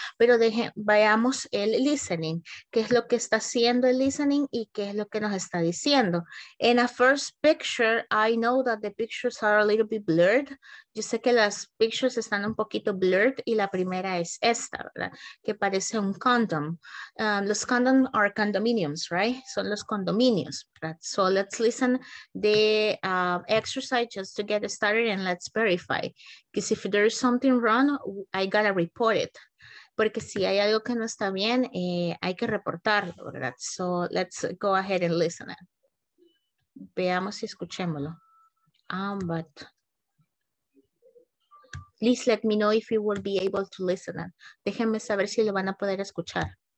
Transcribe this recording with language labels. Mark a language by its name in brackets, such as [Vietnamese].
[Spanish] Pero veamos el listening, qué es lo que está haciendo el listening y qué es lo que nos está diciendo. [English] In a first picture, I know that the pictures are a little bit blurred. [Spanish] Yo sé que las pictures están un poquito blurred y la primera es esta, ¿verdad? Que parece un condom. [English] Los condoms are condominiums, right? [Spanish] Son los condominios, ¿verdad? [English] So let's listen the exercise just to get started and let's verify. Because if there is something wrong, I gotta report it. [Spanish] Porque si hay algo que no está bien, hay que reportarlo, ¿verdad? [English] So let's go ahead and listen it. [Spanish] Veamos y escuchémoslo. [English] Please let me know if you will be able to listen. [Spanish] Déjenme saber si lo van a poder escuchar.